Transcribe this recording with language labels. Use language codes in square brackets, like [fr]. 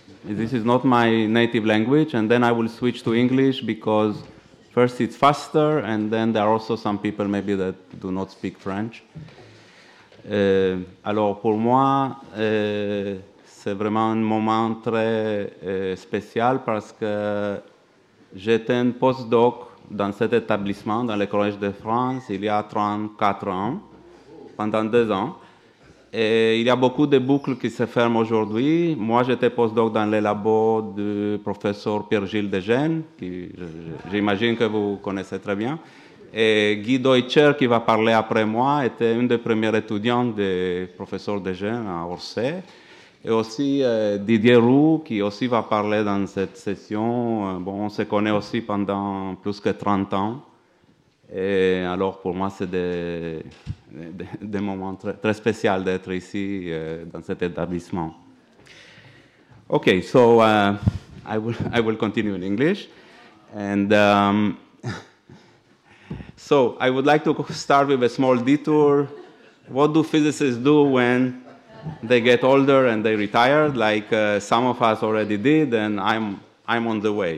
[en] This is not my native language, and then I will switch to English because first it's faster, and then there are also some people maybe that do not speak French. [fr] Alors pour moi, c'est vraiment un moment très spécial parce que j'étais un postdoc dans cet établissement, dans le Collège de France, il y a 34 ans, pendant 2 ans. Et il y a beaucoup de boucles qui se ferment aujourd'hui. Moi, j'étais postdoc dans les labos du professeur Pierre-Gilles Desgenes, qui j'imagine que vous connaissez très bien. Et Guy Deutscher, qui va parler après moi, était une des premières étudiantes du professeur Desgenes à Orsay. Et aussi Didier Roux, qui aussi va parler dans cette session. Bon, on se connaît aussi pendant plus que 30 ans. Et alors, pour moi, c'est des moments très spéciaux d'être ici, dans cet établissement. [en] OK, so I will continue in English. And so I would like to start with a small detour. What do physicists do when they get older and they retire, like some of us already did, and I'm on the way.